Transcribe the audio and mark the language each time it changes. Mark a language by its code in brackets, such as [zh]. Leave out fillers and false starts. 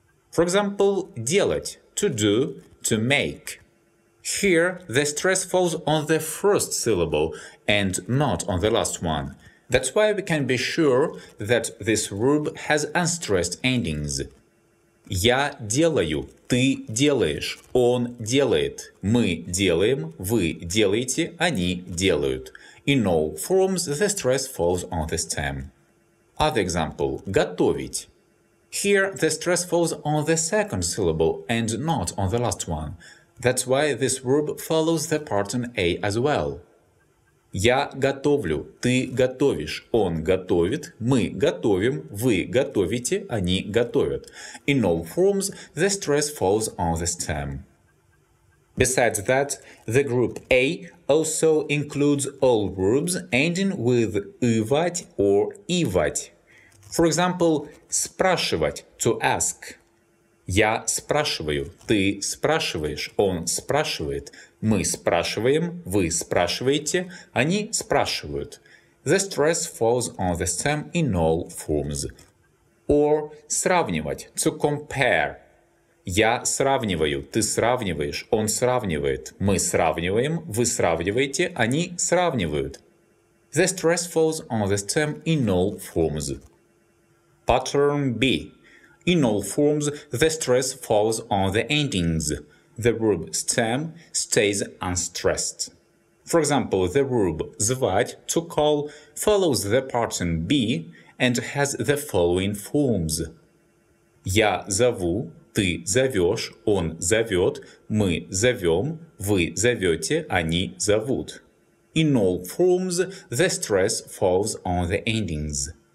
[en] For example, делать – to do, to make. Here, the stress falls on the first syllable and not on the last one. That's why we can be sure that this verb has unstressed endings. [ru] Я делаю, ты делаешь, он делает, мы делаем, вы делаете, они делают. [en] In all forms, the stress falls on the stem. Other example, готовить. Here, the stress falls on the second syllable and not on the last one. That's why this verb follows the pattern A as well. [ru] Я готовлю, ты готовишь, он готовит, мы готовим, вы готовите, они готовят. [en] In all forms, the stress falls on the stem. Besides that, the group A also includes all verbs ending with ивать or ивать. For example, спрашивать, to ask. [ru] Я спрашиваю, ты спрашиваешь, он спрашивает, мы спрашиваем, вы спрашиваете, они спрашивают. [en] The stress falls on the stem in all forms. Or сравнивать, to compare. [ru] Я сравниваю, ты сравниваешь, он сравнивает, мы сравниваем, вы сравниваете, они сравнивают. [en] The stress falls on the stem in all forms. Pattern B. In all forms, the stress falls on the endings. The verb stem stays unstressed. For example, the verb звать, to call, follows the pattern B and has the following forms. [ru] Я зову, ты зовешь, он зовет, мы зовем, вы зовете, они зовут. [en] In all forms, the stress falls on the endings.